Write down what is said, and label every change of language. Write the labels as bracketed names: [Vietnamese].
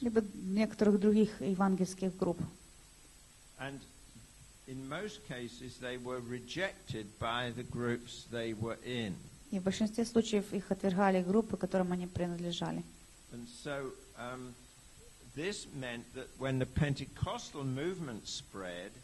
[Russian] Либо некоторых других евангельских групп. [English] And in most cases they were rejected by the groups they were in. [Russian] И в большинстве случаев их отвергали группы, которым они принадлежали. [English] And so this meant that when the Pentecostal movement spread,